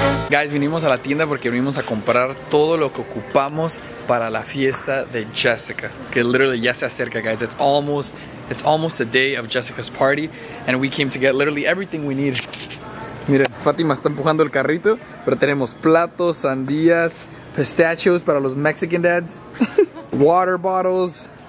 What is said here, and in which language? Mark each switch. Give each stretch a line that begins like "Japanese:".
Spanish: Guys, vinimos a la tienda porque vinimos a comprar todo lo que ocupamos para la fiesta de Jessica. Que
English: literally
Spanish: ya se acerca, guys.
English: It's almost the day of Jessica's party, and we came to get literally everything we need.
Spanish: Miren. Fátima está empujando el carrito, pero tenemos platos, sandías, pistachios para los
English: Mexican dads, water bottles.